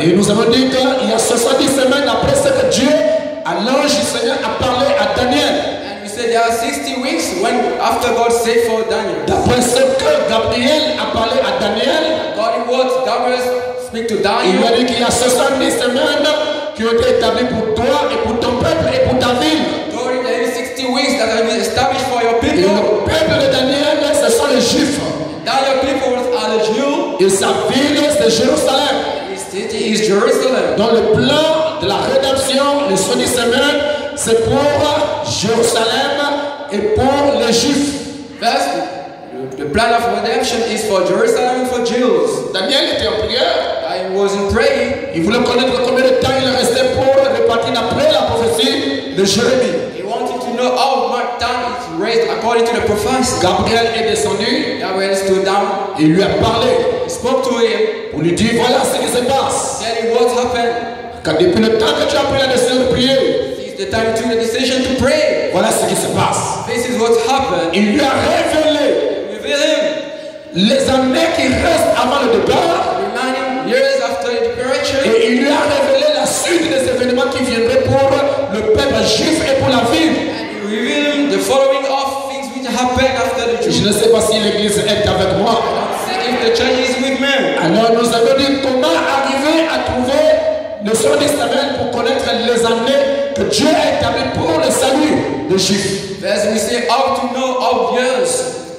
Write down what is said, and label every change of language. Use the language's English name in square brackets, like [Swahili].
[French] Et nous avons dit qu'il y a 70 semaines après ce que Dieu, à l'ange du Seigneur, a parlé à Daniel. [English] And we said there are 60 weeks when after God said for Daniel. [French] D'après ce que Gabriel a parlé à Daniel. [English] God in words, Gabriel speak to Daniel. [French] Il a dit qu'il y a 70 semaines qui ont été établies pour toi et pour ton peuple et pour ta ville. [English] God, there are 60 weeks that have been established for your people. [French] Et le peuple de Daniel, ce sont les Juifs. [English] Now your people are the Jews. [French] Et sa ville, c'est Jérusalem. [English] His city is Jerusalem. [French] Dans le plan de la rédemption, les 70 semaines, c'est pour Jérusalem et pour les Juifs. [English] First, the plan of redemption is for Jerusalem and for Jews. [French] Daniel était en prière. [English] I was in praying. [French] Il voulait connaître combien de temps il restait pour repartir après la prophétie de Jérémie. [English] How much time is raised according to the prophecy. [French] Gabriel est descendu. [English] Gabriel stood down. [French] Il lui a parlé. [English] He spoke to him. [French] Pour lui dire voilà ce qui se passe. [English] Tell him what happened. [French] Quand depuis le temps que tu as pris la décision de prier. [English] Since the time you took the decision to pray. [French] Voilà ce qui se passe. [English] This is what happened. [French] Il lui a révélé. [English] Reveal him. [French] Les années qui restent avant le départ. [English] Remaining years after the departure. [French] Et il lui a révélé la suite des événements qui viendraient pour le peuple juif et pour la ville. [English] The following of things which happen after the church. [French] Je ne sais pas si l'église est avec moi. [English] See if the church is with me. [French] Alors nous avons dit comment arriver à trouver le soir des semaines pour connaître les années que Dieu a établies pour le salut des Juifs. [English] As we say, how to know of years.